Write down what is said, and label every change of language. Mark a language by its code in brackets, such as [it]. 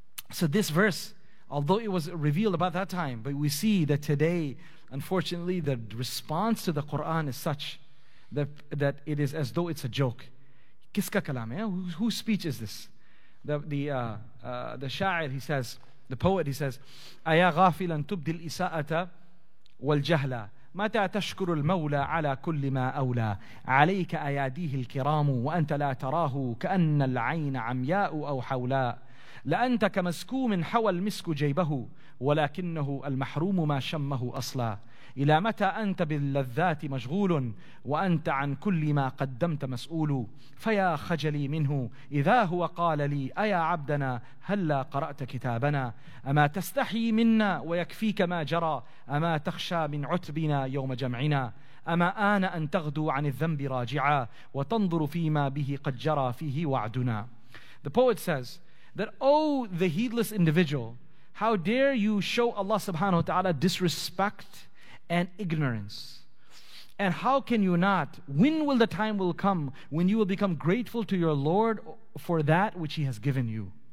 [en] So this verse, although it was revealed about that time, but we see that today, unfortunately, the response to the Quran is such that it is as though it's a joke. [ur] Kiska kalam, [en] yeah? Whose speech is this? The sha'ir, he says, the poet, he says, [ar] Aya ghafilan tubdil isa'ata wal jahla. متى تشكر المولى على كل ما أولى عليك أياديه الكرام وأنت لا تراه كأن العين عمياء أو حولاء لأنت كمسكوم حوى المسك جيبه ولكنه المحروم ما شمه أصلا إلى متى أنت باللذات مشغول وأنت عن كل ما قدمت مسؤول فيا خجلي منه إذا هو قال لي أيا عبدنا هلا قرأت كتابنا أما تستحي منا ويكفيك ما جرى أما تخشى من عتبنا يوم جمعنا أما آن أن تغدو عن الذنب راجعا وتنظر فيما به قد جرى فيه وعدنا. [en] The poet says that, oh, the heedless individual, how dare you show Allah subhanahu wa ta'ala disrespect and ignorance? And how can you not? When will the time will come when you will become grateful to your Lord for that which He has given you?